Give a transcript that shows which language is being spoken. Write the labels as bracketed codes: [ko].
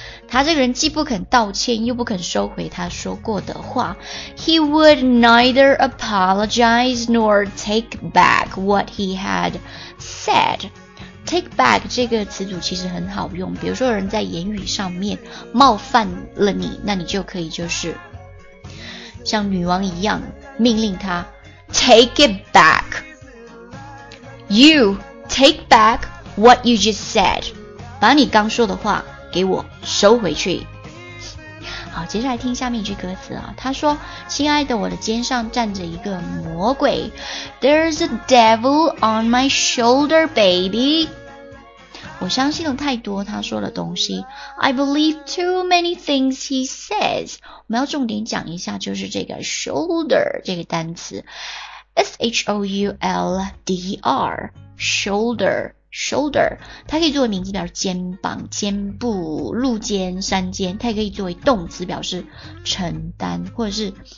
[zh] 他这个人既不肯道歉又不肯收回他说过的话。 [en] He would neither apologize nor take back what he had said. [zh] Take back 这个词组其实很好用。比如说人在言语上面冒犯了你那你就可以就是像女王一样命令他 [en] Take it back. You take back what you just said. [zh] 把你刚说的话给我收回去。好，接下来听下面一句歌词啊。他说：“亲爱的，我的肩上站着一个魔鬼。” [en] There's a devil on my shoulder, baby. [zh] 我相信了太多他说的东西。 [en] I believe too many things he says. [zh] 我们要重点讲一下，就是这个 shoulder 这个单词。 S-H-O-U-L-D-E-R Shoulder Shoulder 它可以作为名词表示肩膀肩部鹿肩山肩它也可以作为动词表示承担或者是